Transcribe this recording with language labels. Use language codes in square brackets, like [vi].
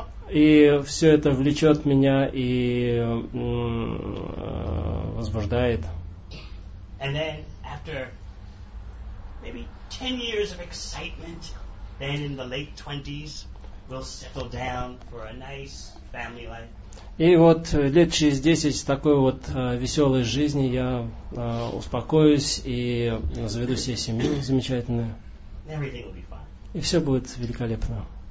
[ru] И все это влечет меня и возбуждает. [en] And then after maybe 10 years of excitement, then in the late 20s we'll settle down for a nice family life. [ru] И вот лет через 10 с такой вот веселой жизни я успокоюсь и заведу себе семью замечательную. И все будет великолепно.